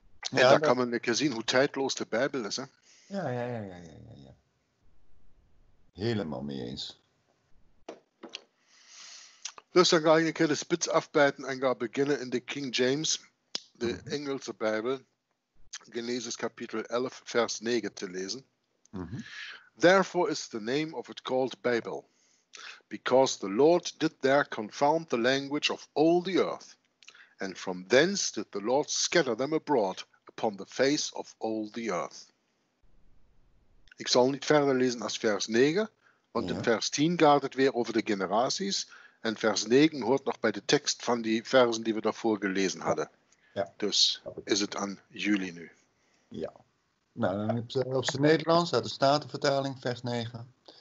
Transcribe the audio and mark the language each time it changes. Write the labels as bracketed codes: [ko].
[nl] En ja, daar kan men een keer zien hoe tijdloos de Bijbel is. Hè? Ja. Helemaal mee eens. Dus dan ga ik een keer de spits afbijten en ga beginnen in de King James, de Engelse Bijbel. Genesis Kapitel 11, Vers 9 te lesen. [en] Therefore is the name of it called Babel, because the Lord did there confound the language of all the earth, and from thence did the Lord scatter them abroad upon the face of all the earth. [nl] Ik zal niet verder lezen als vers 9, want in vers 10 gaat het weer over de generaties, en vers 9 hoort nog bij de tekst van die versen die we daarvoor gelezen hadden. Ja. Dus is het aan jullie nu. Ja. Nou, dan heb je op zijn Nederlands, uit de Statenvertaling, vers 9.